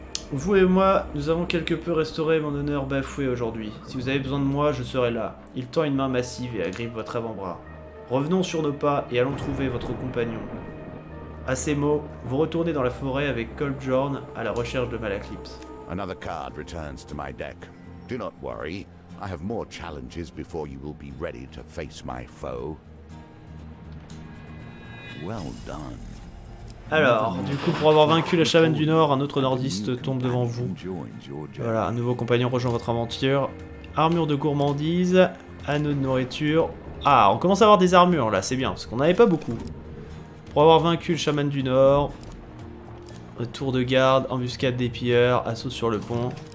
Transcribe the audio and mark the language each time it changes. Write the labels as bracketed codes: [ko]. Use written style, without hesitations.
[fr] Vous et moi, nous avons quelque peu restauré mon honneur bafoué aujourd'hui. Si vous avez besoin de moi, je serai là. Il tend une main massive et agrippe votre avant-bras. Revenons sur nos pas et allons trouver votre compagnon. À ces mots, vous retournez dans la forêt avec Coldjorn à la recherche de Malaclipse. [en] Another card returns to my deck. Do not worry, I have more challenges before you will be ready to face my foe. Well done. [fr] Alors, du coup, pour avoir vaincu la chamane du Nord, un autre nordiste tombe devant vous. Voilà, un nouveau compagnon rejoint votre aventure. Armure de gourmandise, anneau de nourriture. Ah, on commence à avoir des armures là, c'est bien, parce qu'on n'avait pas beaucoup. Pour avoir vaincu le chamane du Nord, tour de garde, embuscade des pilleurs, assaut sur le pont.